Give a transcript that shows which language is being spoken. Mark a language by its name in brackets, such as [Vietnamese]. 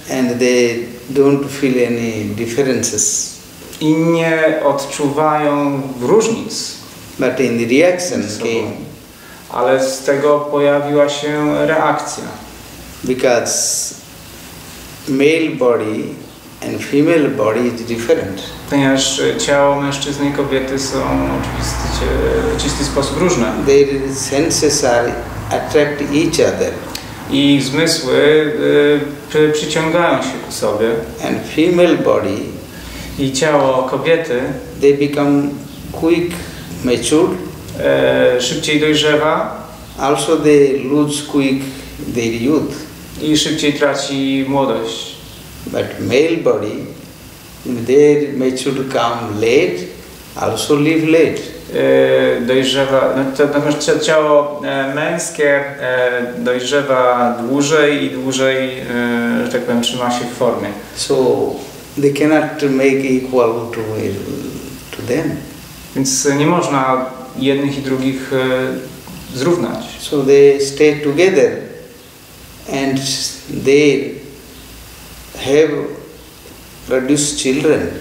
[English] And they don't feel any differences. [Polish] I nie odczuwają różnic. [English] But in the reaction came. [Polish] Ale z tego pojawiła się reakcja. [English] Because male body and female body is different. [Polish] Ponieważ ciało mężczyzny i kobiety są w oczywisty sposób różne. [English] Their senses are attract each other. [Polish] I zmysły przyciągają się ku sobie. [English] And female body, [Polish] i ciało kobiety, [English] they become quick mature, [Polish] szybciej dojrzewa, [English] also they lose quick their youth, [Polish] i szybciej traci młodość. [English] But male body, their mature come late, also live late. [Polish] Dojrzewa, natomiast ciało męskie dojrzewa dłużej i dłużej, że tak powiem, trzyma się w formie. [English] So they cannot make equal to them. [Polish] Więc nie można jednych i drugich zrównać. [English] So they stay together and they have produced children.